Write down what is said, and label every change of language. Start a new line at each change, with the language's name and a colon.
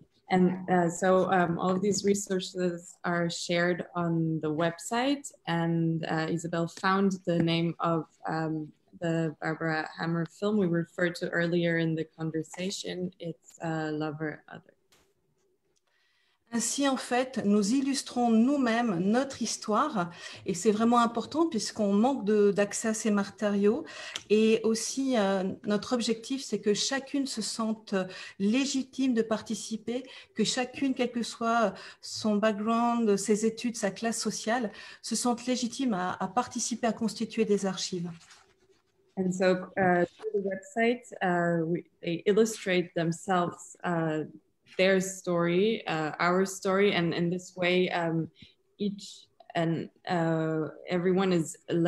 English: And so all of these resources are shared on the website, and Isabelle found the name of the Barbara Hammer film we referred to earlier in the conversation. It's Lover Other.
French: Ainsi, en fait, nous illustrons nous-mêmes notre histoire, et c'est vraiment important puisqu'on manque d'accès à ces matériaux. Et aussi, notre objectif, c'est que chacune se sente légitime de participer, que chacune, quel que soit son background, ses études, sa classe sociale, se sente légitime à participer à constituer des archives.
English: And so, through the website, they illustrate themselves. Their story, our story, and in this way, each and everyone is